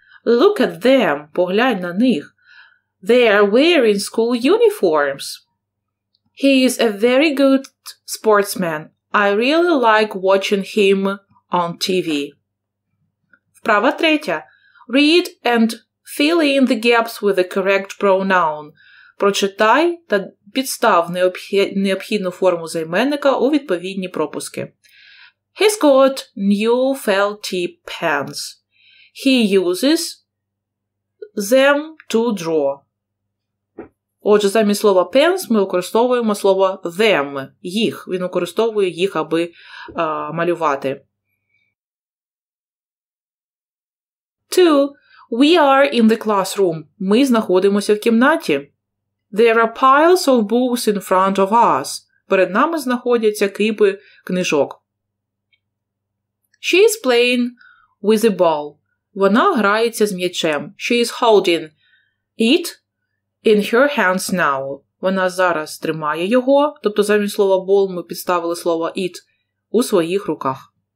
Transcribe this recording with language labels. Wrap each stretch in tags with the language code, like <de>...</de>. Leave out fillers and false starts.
<en>Look at them.</en> <uk>Поглянь на них.</uk> <en>They are wearing school uniforms. He is a very good sportsman. I really like watching him on TV.</en> <uk>Вправа третя.</uk> <en>Read and fill in the gaps with the correct pronoun.</en> <uk>Прочитай та підстав необхідну форму займенника у відповідні пропуски.</uk> <en>He's got new felty pants. He uses them to draw.</en> <uk>Отже, замість слова pens ми використовуємо слово them, їх. Він використовує їх, аби малювати.</uk> <en>2. We are in the classroom.</en> <uk>Ми знаходимося в кімнаті.</uk> <en>There are piles of books in front of us.</en> <uk>Перед нами знаходяться кипи книжок.</uk> <en>She is playing with a ball.</en> <uk>Вона грається з м'ячем.</uk> <en>She is holding it. In her hands now.</en> <uk>Вона зараз тримає його, тобто замість слова ball ми підставили слово it у своїх руках.</uk>